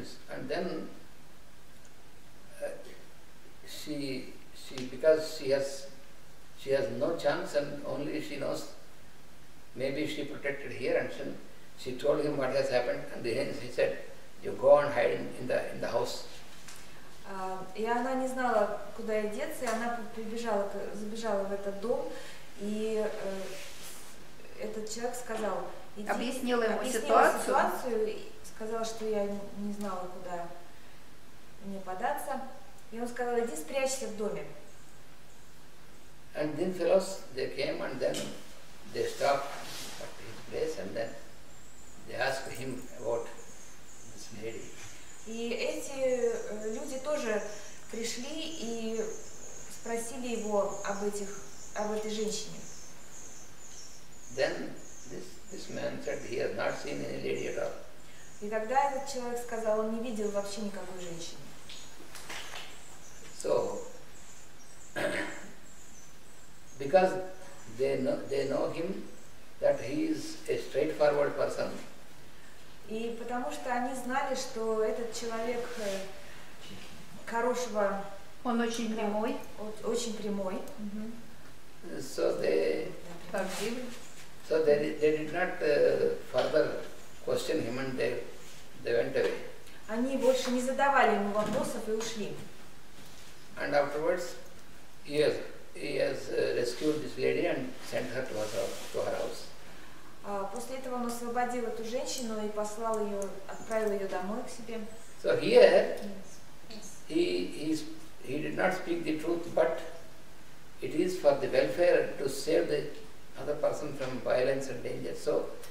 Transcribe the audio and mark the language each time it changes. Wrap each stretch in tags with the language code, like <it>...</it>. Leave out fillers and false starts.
<en>And then she because she has no chance and only she knows maybe she protected here and then she told him what has happened and then he said you go and hide in the house.</en> <ru>И она не знала куда ей деться, и она забежала в этот дом, и этот человек сказал. Объяснила ему ситуацию, сказала, что я не знала, куда мне податься. И он сказал, иди спрячься в доме.</ru> <en>And then fellows, they came and then they stopped at his place and then they asked him about this lady.</en> <ru>И эти люди тоже пришли и спросили его об этой женщине.</ru> <en>Then this man said he has not seen any lady at all.</en> <ru>И тогда этот человек сказал, он не видел вообще никакой женщины.</ru> <en>So, because they know him, that he is a straightforward person.</en> <ru>И потому что они знали, что этот человек хорошего. Он очень прямой. Очень прямой.</ru> <en>So they.</en> <ru>Правдивый.</ru> <en>So they did not further question him and they went away.</en> <ru>Они больше не задавали ему вопросов и ушли.</ru> <en>And afterwards, he has rescued this lady and sent her to her house.</en> <ru>После этого он освободил эту женщину и послал ее, отправил ее домой к себе.</ru> <en>So here, he did not speak the truth, but it is for the welfare to save the other person from violence and danger. So,</en>